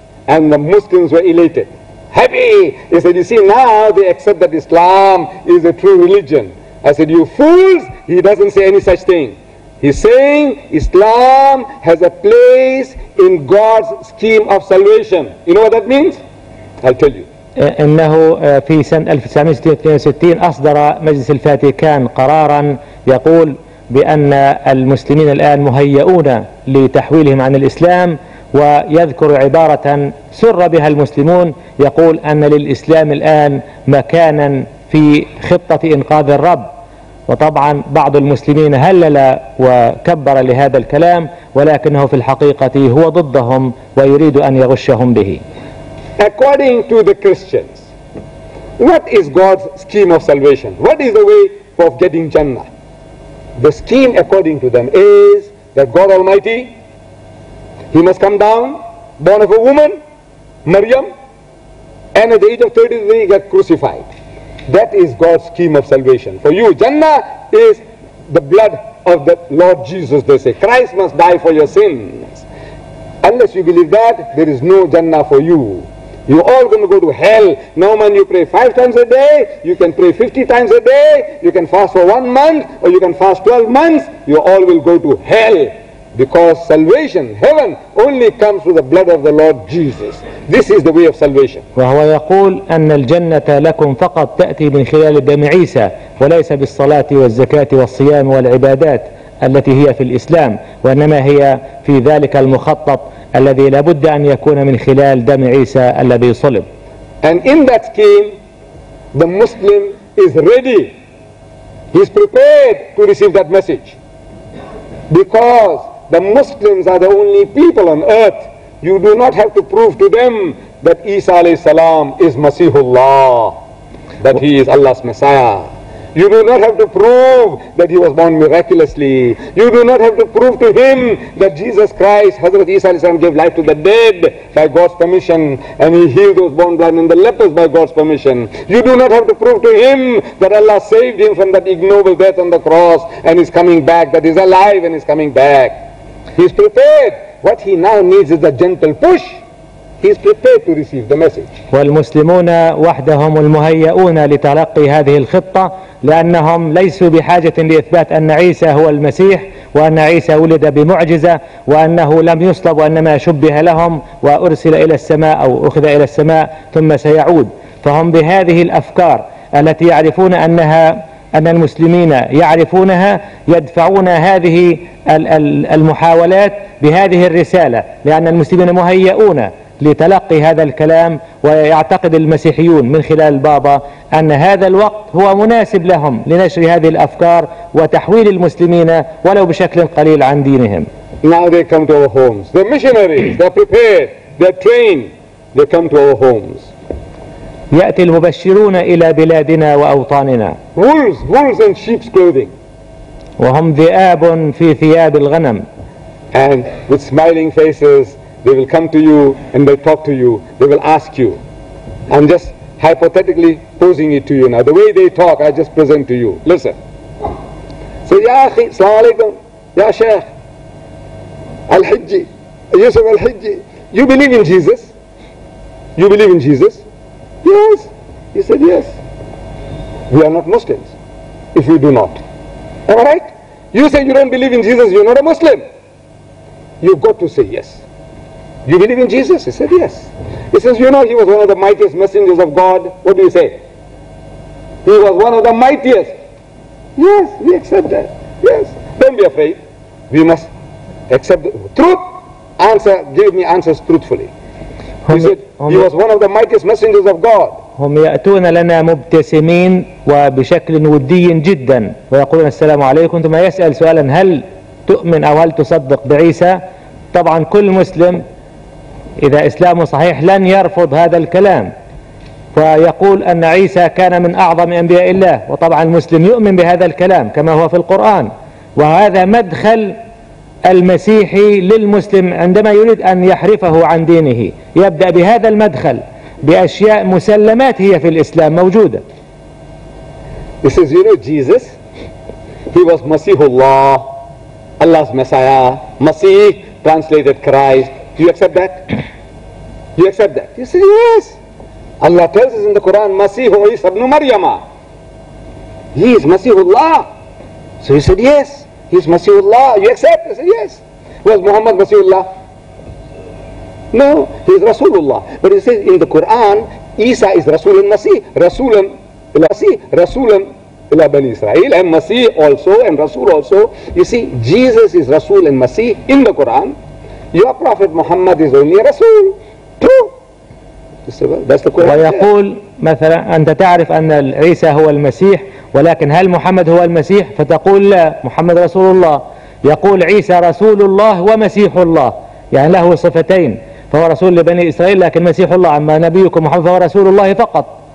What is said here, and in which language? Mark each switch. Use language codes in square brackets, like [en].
[en] And the Muslims were elated, happy. He said, you see, now they accept that Islam is a true religion. I said, you fools, he doesn't say any such thing. He's saying Islam has a place in God's scheme of salvation. You know what that means? I'll tell you. [ar] إنه في سنة 1962 أصدر مجلس الفاتيكان قرارا يقول بأن المسلمين الآن مهيئون لتحويلهم عن الإسلام، ويذكر عبارة سر بها المسلمون، يقول أن للإسلام الآن مكانا في خطة إنقاذ الرب. وطبعا بعض المسلمين هلل وكبر لهذا الكلام، ولكنه في الحقيقة هو ضدهم ويريد أن يغشهم به. [en] According to the Christians, what is God's scheme of salvation? What is the way of getting Jannah? The scheme according to them is that God Almighty, He must come down, born of a woman, Maryam, and at the age of 33 get crucified. That is God's scheme of salvation. For you, Jannah is the blood of the Lord Jesus, they say. Christ must die for your sins. Unless you believe that, there is no Jannah for you. You are all going to go to hell. No man, you pray 5 times a day, you can pray 50 times a day, you can fast for 1 month, or you can fast 12 months, you all will go to hell. Because salvation, heaven, only comes through the blood of the Lord Jesus. This is the way of salvation. [ar] وهو يقول أن الجنة لكم فقط تأتي من خلال دم عيسى، وليس بالصلاة والزكاة والصيام والعبادات التي هي في الإسلام، وإنما هي في ذلك المخطط الذي لابد أن يكون من خلال دم عيسى الذي صلب. [en] And in that scheme, the Muslim is ready. He's prepared to receive that message. Because the Muslims are the only people on earth. You do not have to prove to them that Isa alayhi salam is Masihullah, that he is Allah's Messiah. You do not have to prove that he was born miraculously. You do not have to prove to him that Jesus Christ, Hazrat Isa alayhi salam, gave life to the dead by God's permission, and he healed those born blind and the lepers by God's permission. You do not have to prove to him that Allah saved him from that ignoble death on the cross and is coming back, that he's alive and is coming back. He's prepared. What he now needs is a gentle push. He's prepared to receive the message. [ar] والمسلمون وحدهم المهيئون لتلقي هذه الخطة، لأنهم ليسوا بحاجة لإثبات أن عيسى هو المسيح، وأن عيسى ولد بمعجزة، وأنه لم يصلب وأنما شبه لهم وأرسل إلى السماء أو أخذ إلى السماء ثم سيعود. فهم بهذه الأفكار التي يعرفون أنها أن المسلمين يعرفونها يدفعون هذه المحاولات بهذه الرسالة، لأن المسلمين مهيئون لتلقي هذا الكلام، ويعتقد المسيحيون من خلال البابا أن هذا الوقت هو مناسب لهم لنشر هذه الأفكار وتحويل المسلمين ولو بشكل قليل عن دينهم. [en] Now they come to our homes. They're missionaries. They're prepared. They're trained. They come to our homes. [ar] يأتي المبشرون إلى بلادنا وأوطاننا. [en] Wolves, wolves in sheep's clothing. [ar] وهم ذئاب في ثياب الغنم. [en] And with smiling faces. They will come to you and they talk to you. They will ask you. I'm just hypothetically posing it to you now. The way they talk, I just present to you. Listen. So, [ar] Ya Akhi, Assalamu Alaikum, Ya Sheikh, [en] Al-Hijji, Yusuf Al-Hijji, you believe in Jesus? you believe in Jesus? Yes. He said, yes. We are not Muslims if we do not. Am I right? You say you don't believe in Jesus, you're not a Muslim. You've got to say yes. You believe in Jesus? He said, yes. He says, you know, he was one of the mightiest messengers of God. What do you say? He was one of the mightiest. Yes, we accept that. Yes. Don't be afraid. We must accept the truth. Answer, give me answers truthfully. He said, he was one of the mightiest messengers of God. [ar] هم يأتون لنا مبتسمين وبشكل ودي جدا ويقولون السلام عليكم، ثم يسأل سؤالا، هل تؤمن أو هل تصدق بعيسى؟ طبعا كل مسلم إذا إسلامه صحيح لن يرفض هذا الكلام، ويقول أن عيسى كان من أعظم أنبياء الله، وطبعا المسلم يؤمن بهذا الكلام كما هو في القرآن، وهذا مدخل المسيحي للمسلم عندما يريد أن يحرفه عن دينه، يبدأ بهذا المدخل بأشياء مسلمات هي في الإسلام موجودة. [en] He says, you know Jesus, he was Masihullah, Allah's Messiah, Masih translated Christ. Do you accept that? You accept that? He says, yes. Allah tells us in the Quran, [ar] Masihu Isa ibn Maryama. [en] He is Masihullah. So he said, yes, he is Masihullah. You accept? He said, yes. Was Muhammad Masihullah? No, he is Rasulullah. But he says in the Quran, Isa is Rasul and Masih. [ar] Rasulun ila Masih. Rasulun ila Bani Israel. [en] And Masih also, and Rasul also. You see, Jesus is Rasul and Masih in the Quran. Your Prophet Muhammad is only a Rasul. True. Say, well, that's the Quran. [ar] ويقول مثلا أنت تعرف أن عيسى هو المسيح، ولكن هل محمد هو المسيح؟ فتقول لا، محمد رسول الله. يقول عيسى رسول الله ومسيح الله، يعني له صفتين، فهو رسول لبني إسرائيل لكن مسيح الله، أما نبيكم محمد فهو رسول الله فقط.